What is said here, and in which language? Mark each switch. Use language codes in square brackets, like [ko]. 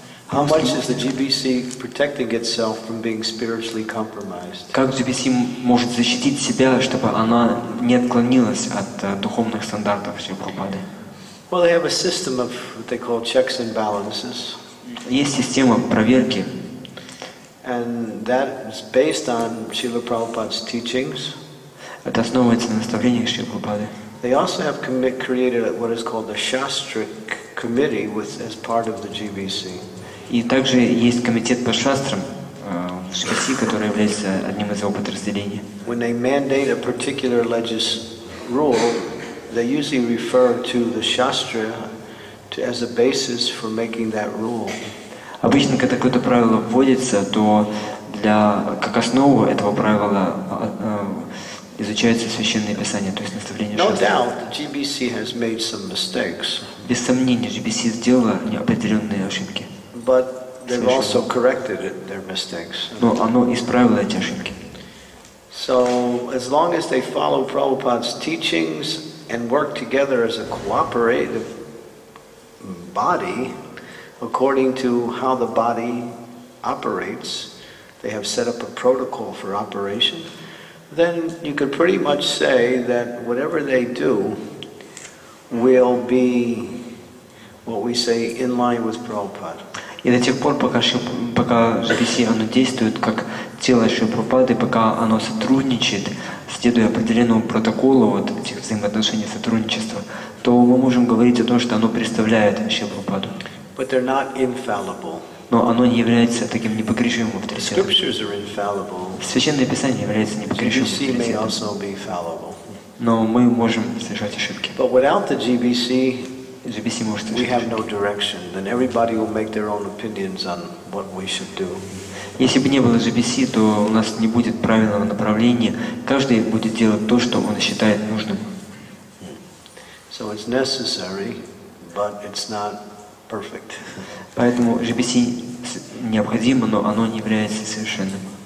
[en] How much is the GBC protecting itself from being spiritually compromised? [ru] Как GBC может защитить себя, чтобы она не отклонилась от духовных стандартов Шри Прабхупады? [en] Well, they have a system of what they call checks and balances. [ru] Есть система проверки. [en] And that is based on Srila Prabhupada's teachings. [ru] Это основывается на наставлениях Шри Прабхупады. [en] They also have created what is called the Shastric Committee with, as part of the GBC. [ru] И также есть комитет по шастрам в ШКСИ, который является одним из его подразделений. [en] When they mandate a particular religious rule, they usually refer to the Shastra as a basis for making that rule. [ru] Обычно, когда какое-то правило вводится, то для как основу этого правила изучаются священные писания, то есть наставления шастры. [en] No doubt, GBC has made some mistakes. [ru] Без сомнения, GBC сделала неопределенные ошибки. [en] But they've also corrected their mistakes. [ru] Но оно исправило эти ошибки. [en] So as long as they follow Prabhupada's teachings and work together as a cooperative body, according to how the body operates, they have set up a protocol for operation, then you could pretty much say that whatever they do will be what we say in line with Prabhupada. [ru] И до тех пор, пока GBC оно действует как тело Шри Прабхупады, пока оно сотрудничает, следуя определенному протоколу вот этих взаимоотношений, сотрудничества, то мы можем говорить о том, что оно представляет Шри Прабхупаду. [en] But they're not infallible. [ru] Но оно не является таким непогрешимым авторитетом. [en] Scriptures are infallible. [ru] Священное Писание является непогрешимым авторитетом. [en] GBC may also be fallible. [ru] Но мы можем совершать ошибки. [en] But without the GBC, [ru] GBC может [en] we have no direction. Then everybody will make their own opinions on what we should do. [ru] Если бы не было GBC, то у нас не будет правильного направления. Каждый будет делать то, что он считает нужным. So it's necessary, but it's not perfect. Поэтому GBC необходимо, но оно не является совершенным.